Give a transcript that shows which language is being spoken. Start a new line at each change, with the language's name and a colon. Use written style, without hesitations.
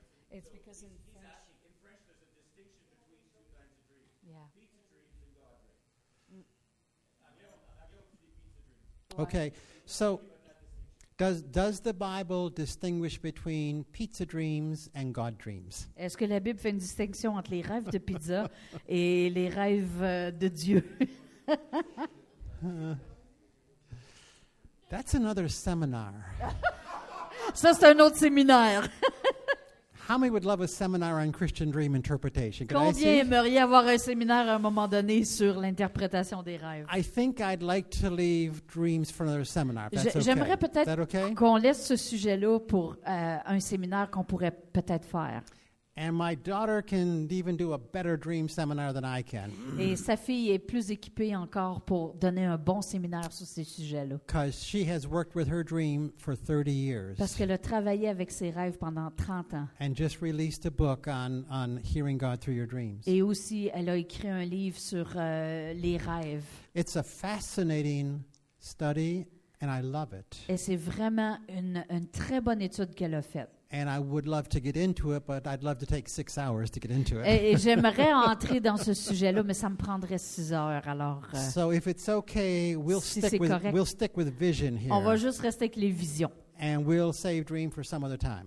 English: It's because in French. In French, there's a distinction between two kinds of dreams. Yeah. Pizza dreams and God dreams. Okay, so. Does the Bible distinguish between pizza dreams and God dreams?
French: Est-ce que la Bible fait une distinction entre les rêves de pizza et les rêves de Dieu?
English: That's another seminar.
French: Ça, c'est un autre séminaire.
English: How many would love a seminar on Christian dream interpretation? Could
French: Combien aimeriez avoir un séminaire à un moment donné sur l'interprétation des rêves?
English: I think I'd like to leave dreams for another seminar.
French: J'aimerais
English: okay.
French: peut-être
English: okay?
French: qu'on laisse ce sujet-là pour un séminaire qu'on pourrait peut-être faire.
English: And my daughter can even do a better dream seminar than I can.
French: Et sa fille est plus équipée encore pour donner un bon séminaire sur ces sujets-là.
English: Because she has worked with her dream for 30 years.
French: Parce qu'elle a travaillé avec ses rêves pendant 30 ans.
English: And just released a book on hearing God through your dreams.
French: Et aussi, elle a écrit un livre sur les rêves.
English: It's a fascinating study, and I love it.
French: Et c'est vraiment une très bonne étude qu'elle a faite.
English: And I would love to get into it, but I'd love to take 6 hours to get into it.
French: Et j'aimerais entrer dans ce sujet-là, mais ça me prendrait 6 heures. Alors,
English: so if it's okay, we'll stick with vision here.
French: On va juste rester avec les visions.
English: And we'll save dream for some other time.